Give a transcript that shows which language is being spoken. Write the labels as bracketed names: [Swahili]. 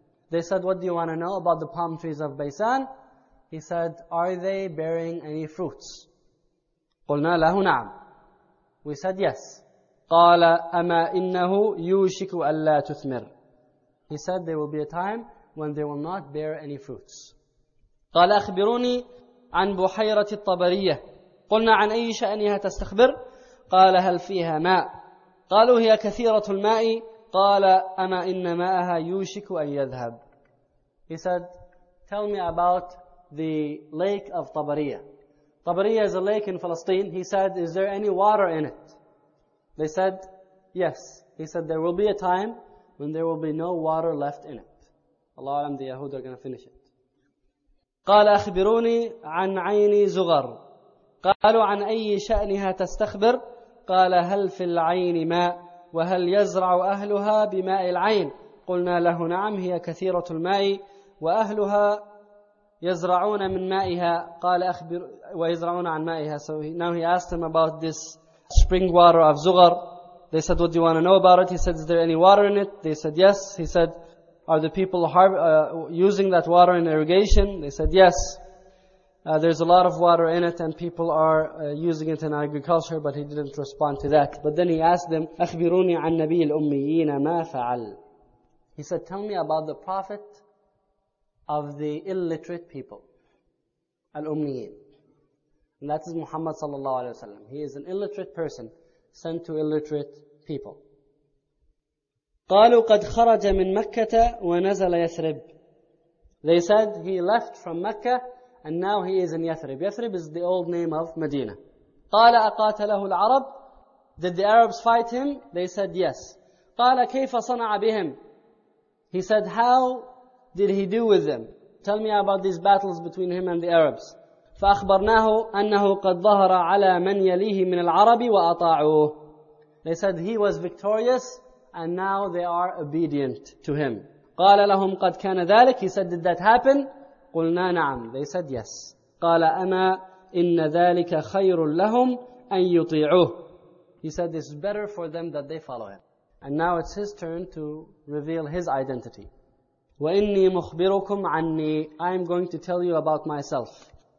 [English] They said, what do you want to know about the palm trees of Baysan? He said, are they bearing any fruits? [Arabic] قُلْنَا لَهُ نَعْمْ. [English] We said, yes. [Arabic] قَالَ أَمَا إِنَّهُ يُوشِكُ أَلَّا تُثْمِرْ. [English] He said, there will be a time when they will not bear any fruits. [Arabic] قال أخبروني عن بحيرة الطبرية. قلنا عن أي شأنها تستخبر؟ قال هل فيها ماء؟ قالوا هي كثيرة الماء. قال أما إن ماءها يوشك أن يذهب. [English] He said, tell me about the lake of Tabariya. Tabariya is a lake in Palestine. He said, is there any water in it? They said, yes. He said there will be a time when there will be no water left in it. Allah Alam, the Yahud are going to finish it. [Arabic] قال أخبروني عن عيني زغر. قالوا عن أي شأنها تستخبر؟ قال هل في العين ماء؟ وهل يزرع أهلها بماء العين؟ قلنا له نعم هي كثيرة الماء وأهلها يزرعون من مائها. قال أخبر ويزرعون عن مائها. [English] So now he asked him about this spring water of Zughar. They said, "What do you want to know about it?" He said, "Is there any water in it?" They said, "Yes." He said, "Are the people using that water in irrigation?" They said, "Yes." There's a lot of water in it, and people are using it in agriculture. But he didn't respond to that. But then he asked them, [Arabic] "أخبروني عن نبي الأميين ما فعل." [English] He said, "Tell me about the Prophet of the illiterate people, al-Ummiyin." And that is Muhammad sallallahu alayhi wa sallam. He is an illiterate person sent to illiterate people. [Arabic] قالوا قد خرج من مكة ونزل يثرب. [English] They said he left from Mecca and now he is in Yathrib. Yathrib is the old name of Medina. [Arabic] قال أقاتله العرب. [English] Did the Arabs fight him? They said yes. [Arabic] قال كيف صنع بهم. [English] He said, "How did he do with them? Tell me about these battles between him and the Arabs." [Arabic] فأخبرناه أنه قد ظهر على من يليه من العرب وأطاعوه. [English] They said he was victorious and now they are obedient to him. [Arabic] قال لهم قد كان ذلك. [English] He said, "Did that happen?" [Arabic] قلنا نعم. [English] They said yes. [Arabic] قال أما إن ذلك خير لهم أن يطيعوه. [English] He said it's better for them that they follow him. And now it's his turn to reveal his identity. [Arabic] وإني مخبركم عني. [English] I'm going to tell you about myself.